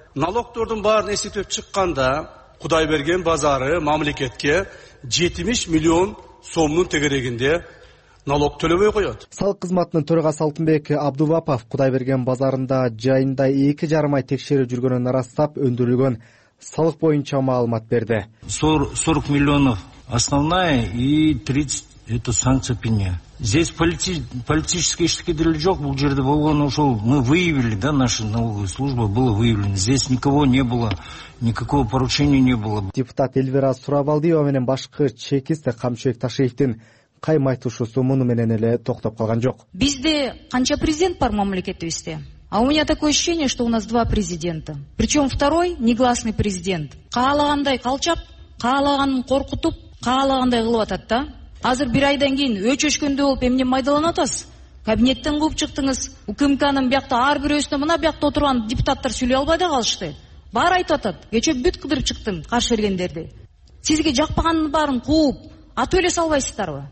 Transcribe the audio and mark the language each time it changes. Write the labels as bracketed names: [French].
[Kyrgyz] Налогтордун баарын эсептеп чыкканда Кудайберген базары мамлекетке 70 миллион сомнун тегерегинде налог төлөбөй коёт. Салык кызматынын төрагасы Алтынбек Абдувапов Кудайберген базарында жайында 2.5 ай текшерип жүргөнүн ырастап өндүрүлгөн салык боюнча маалымат берди. [Russian] 40 миллионов основная и 30 это санкция пеня. Здесь политический штыкидрил [Kyrgyz] жок, бул жерде болгон ошол [Russian] мы выявили, да, наша налоговая служба была выявлена. Здесь никого не было, никакого поручения не было. [Kyrgyz] Депутат Эльвира Сурабалдиева менен башкы чекист Камчыбек Ташиевтин кайм айтуушусу муну менен эле токтоп калган жок. Бизде канча президент бар мамлекетибизде? [Russian] А у меня такое ощущение, что у нас два президента. Причем второй негласный президент. [Kyrgyz] Каалагандай калчап, каалаганын коркутуп, каалагандай кылып атат да. Азыр бир айдан кийин өчөшкөндөй болуп эмне майдалана атасыз? Кабинеттен кууп чыктыңыз. УКМКнын биякта ар бирөөсүнө мына биякта отурган депутаттар сүйлөй албай да калышты. Баары айтып атат. Кечээ бүт кыдырып чыктым каршы бергендерди. Сизге жакпагандын баарын кууп атып эле салбайсыздарбы?